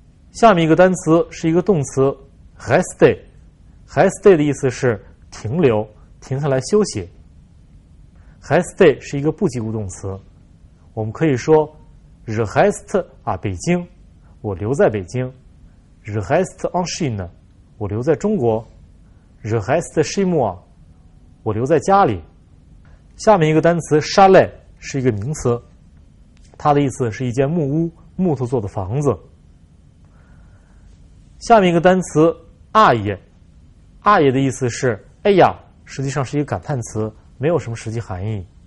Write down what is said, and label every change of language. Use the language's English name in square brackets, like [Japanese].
[Chinese] 下面一个单词是一个动词 rester， rester 的意思是停留停下来休息。 rester 是一个不及物动词，我们可以说 [French] je reste à Beijing， [Chinese] 我留在北京。 [French] je reste en Chine， [Chinese] 我留在中国。 [French] je reste chez moi， [Chinese] 我留在家里。下面一个单词 chalet 是一个名词，它的意思是一间木屋木头做的房子。下面一个单词 aïe， aïe 的意思是哎呀，实际上是一个感叹词，没有什么实际含义。